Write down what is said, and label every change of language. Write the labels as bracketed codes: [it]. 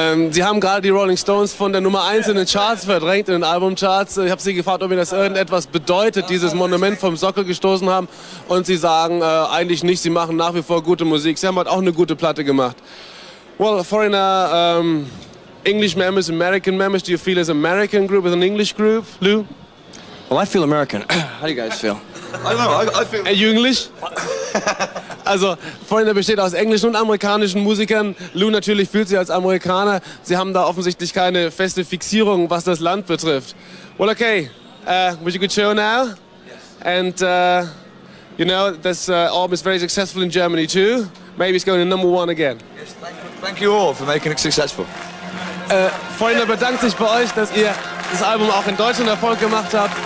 [de] Sie haben gerade die Rolling Stones von der Nummer 1 in den Charts verdrängt, in den Albumcharts. Ich habe Sie gefragt, ob Ihnen das irgendetwas bedeutet, dieses Monument vom Sockel gestoßen haben. Und Sie sagen eigentlich nicht, Sie machen nach wie vor gute Musik. Sie haben halt auch eine gute Platte gemacht. [en] Well, Foreigner, English members, American members, do you feel as American group as an English group, Lou? Well, I feel American. How do you guys feel? I don't know, I feel... Are you English? [de] Also, Foreigner besteht aus englischen und amerikanischen Musikern. Lou natürlich fühlt sich als Amerikaner. Sie haben da offensichtlich keine feste Fixierung, was das Land betrifft. [en] Well, okay. Was a good show now? Yes. And, you know, this album is very successful in Germany too. Maybe it's going to number one again. Yes, thank you all for making it successful. [de] Foreigner bedankt sich bei euch, dass ihr das Album auch in Deutschland Erfolg gemacht habt.